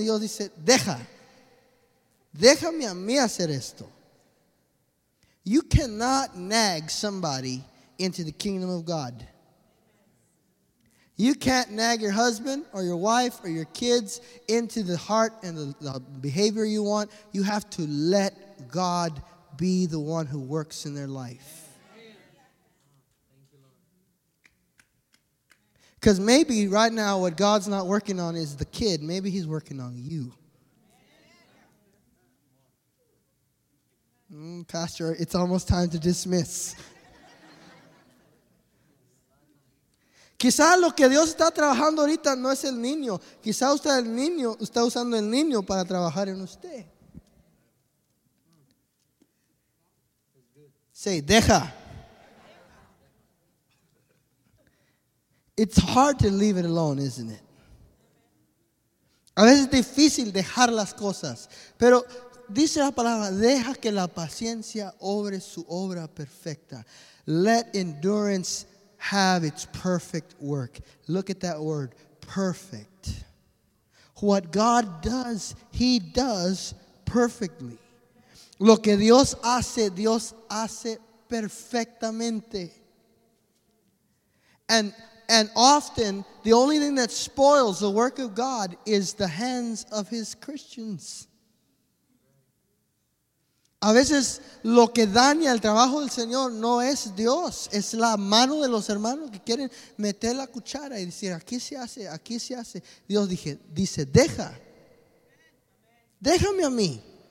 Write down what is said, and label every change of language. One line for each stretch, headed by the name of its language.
Spanish: Y Dios dice, deja, déjame a mí hacer esto.
English: You cannot nag somebody into the kingdom of God. You can't nag your husband or your wife or your kids into the heart and the behavior you want. You have to let God be the one who works in their life. Because maybe right now what God's not working on is the kid. Maybe he's working on you. Pastor, it's almost time to dismiss.
Spanish: Quizá lo que Dios está trabajando ahorita no es el niño. Quizá usted el niño está usando el niño para trabajar en usted.
English: Say,
Spanish: deja.
English: It's hard to leave it alone, isn't it?
Spanish: A veces es difícil dejar las cosas. Pero dice la palabra, deja que la paciencia obre su obra perfecta.
English: Let endurance have its perfect work. Look at that word, perfect. What God does, he does perfectly.
Spanish: Lo que Dios hace perfectamente.
English: And often, the only thing that spoils the work of God is the hands of his Christians.
Spanish: A veces lo que daña el trabajo del Señor no es Dios, es la mano de los hermanos que quieren meter la cuchara y decir, aquí se hace. Dios dice, deja, déjame a mí.